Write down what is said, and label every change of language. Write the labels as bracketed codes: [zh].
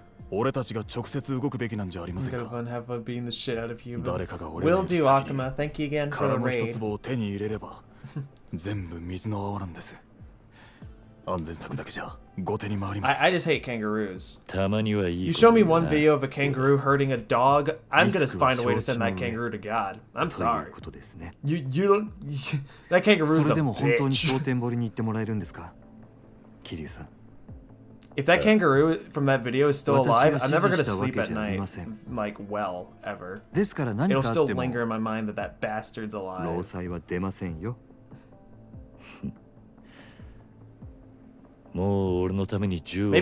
[ja] 俺たちが直接動くべきなんじゃありませんか。誰かが俺に先に殻の一つぼを手に入れれば全部水の泡なんです。安全策だけじゃ後手に回ります。 [en] I just hate kangaroos. [ja] たまにはいい。 [en] You show me one video of a kangaroo hurting a dog, I'm gonna find a way to send that kangaroo to God. I'm sorry. [ja] ということですね。 [en] You don't. That kangaroo's a bitch. [ja] それでも本当に蒼天堀に行ってもらえるんですか、キリュウさん。 [en] If that kangaroo from that video is still alive, I'm never going to sleep at night, like, well, ever. It'll still linger in my mind that that bastard's alive. [ja] 労災は出ませんよ。もう俺のために10億出